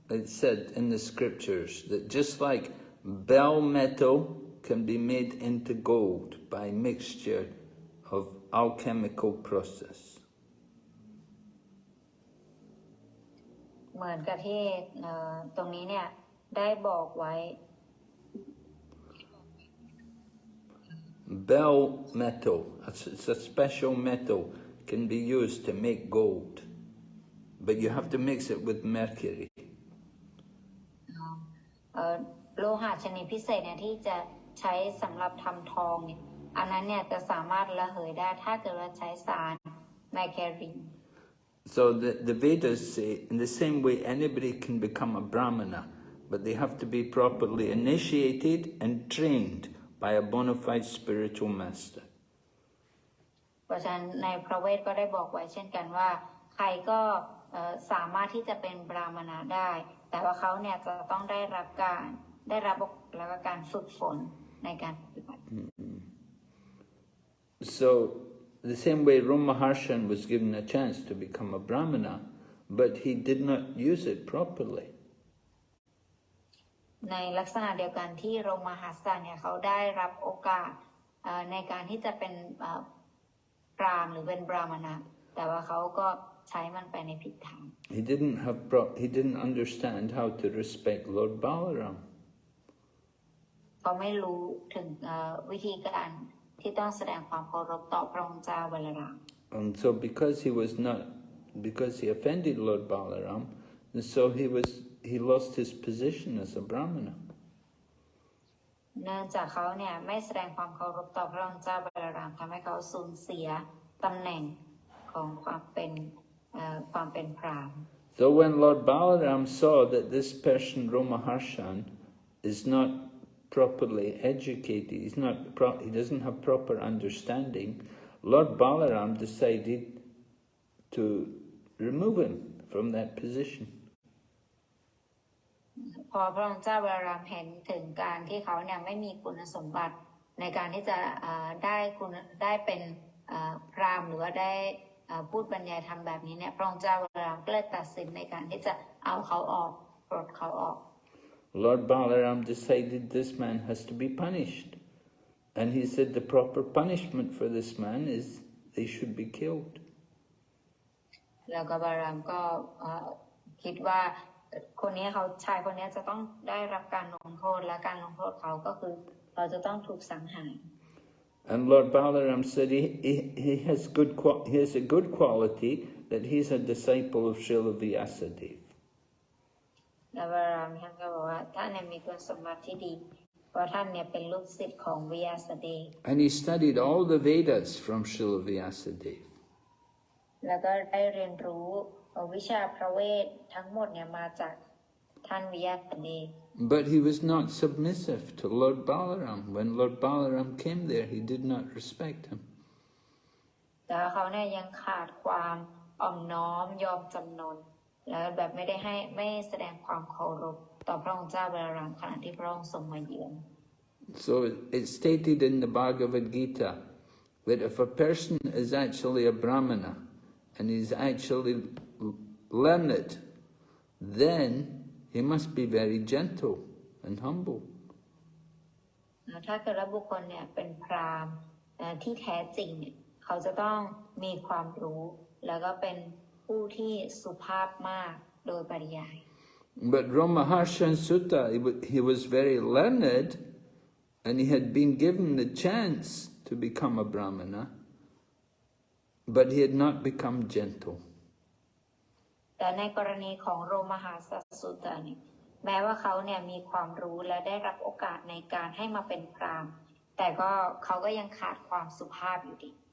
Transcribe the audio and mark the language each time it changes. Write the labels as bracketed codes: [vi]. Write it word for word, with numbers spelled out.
[en] It said in the scriptures that just like bell metal can be made into gold by mixture of alchemical process. [th] เหมือนกับที่เอ่อตรงนี้เนี่ยได้บอกไว้ [en] Bell metal, it's it's a special metal, can be used to make gold, but you have to mix it with mercury. [th] เอ่อโลหะชนิดพิเศษเนี่ยที่จะใช้สำหรับทำทองเนี่ยอันนั้นเนี่ยจะสามารถระเหยได้ถ้าเกิดว่าใช้สารไมแคริน [en] So the, the Vedas say, in the same way, anybody can become a brahmana, but they have to be properly initiated and trained by a bona fide spiritual master. [th] เพราะฉะนั้นในพระเวทก็ได้บอกไว้เช่นกันว่า ใครก็เอ่อสามารถที่จะเป็นบราหมณะได้ แต่ว่าเขาเนี่ยจะต้องได้รับการได้รับแล้วก็การฝึกฝนในการปฏิบัติ [en] So the same way Rama Maharshan was given a chance to become a brahmana, but he did not use it properly. [th] ในลักษณะเดียวกันที่โรมหาสันเนี่ยเขาได้รับโอกาสเอ่อในการที่จะเป็นเอ่อพราหมณ์หรือเป็นบราหมณะแต่ว่าเขาก็ใช้มันไปในผิดทาง [en] He didn't have pro- he didn't understand how to respect Lord Balaram. [th] เขาไม่รู้ถึงเอ่อวิธีการที่ต้องแสดงความเคารพต่อพระองค์เจ้าบัลลังก์ [en] And so because he was not, because he offended Lord Balaram, and so he was, he lost his position as a brahmana. [th] เนื่องจากเขาเนี่ยไม่แสดงความเคารพต่อพระองค์เจ้าบาลารามทำให้เขาสูญเสียตำแหน่งของความเป็นเอ่อความเป็นพราหมณ์ [en] So when Lord Balaram saw that this person, Romaharshan, is not properly educated, he's not pro- he doesn't have proper understanding, Lord Balaram decided to remove him from that position. [th] พอพระองค์เจ้าบาลารามเห็นถึงการที่เขาเนี่ยไม่มีคุณสมบัติในการที่จะเอ่อได้คุณได้เป็นเอ่อพราหมณ์หรือว่าได้เอ่อพูดบรรยายธรรมแบบนี้เนี่ยพระองค์เจ้าบาลารามก็เลยตัดสินในการที่จะเอาเขาออกปลดเขาออก [en] Lord Balaram decided this man has to be punished. And he said the proper punishment for this man is they should be killed. [th] แล้วก็บารามก็เอ่อคิดว่าคนนี้เขาชายคนนี้จะต้องได้รับการลงโทษและการลงโทษเขาก็คือเราจะต้องถูกสังหาร [en] And Lord Balaram said he, he, he, has, good, qua- he has a good quality that he's a disciple of Srila Vyasadeva. [th] แล้วบารามท่านก็บอกว่าท่านเนี่ยมีคุณสมบัติที่ดี เพราะท่านเนี่ยเป็นลูกศิษย์ของวิยาสเดย์ [en] And he studied all the Vedas from Srila Vyasadeva. [th] แล้วก็ได้เรียนรู้วิชาพระเวททั้งหมดเนี่ยมาจากท่านวิยาสเดย์ [en] But he was not submissive to Lord Balaram. When Lord Balaram came there, he did not respect him. [th] แต่ว่าเขาเนี่ยยังขาดความอ่อมน้อมยอมจำนนแล้วแบบไม่ได้ให้ไม่แสดงความเคารพต่อพระองค์เจ้าบาลารามขณะที่พระองค์ทรงมาเยือน [en] So it- it's stated in the Bhagavad Gita that if a person is actually a brahmana and he's actually learned, then he must be very gentle and humble. [th] นะถ้าเกิดว่าบุคคลเนี่ยเป็นพราหมณ์เอ่อที่แท้จริงเนี่ยเขาจะต้องมีความรู้ แล้วก็เป็นผู้ที่สุภาพมากโดยปริยาย [en] But Romaharshan Sutta, he wa- he was very learned and he had been given the chance to become a brahmana, but he had not become gentle. [th] แต่ในกรณีของโรมหาสัสสุตะเนี่ยแม้ว่าเขาเนี่ยมีความรู้และได้รับโอกาสในการให้มาเป็นพราหมณ์ แต่ก็เขาก็ยังขาดความสุภาพอยู่ดี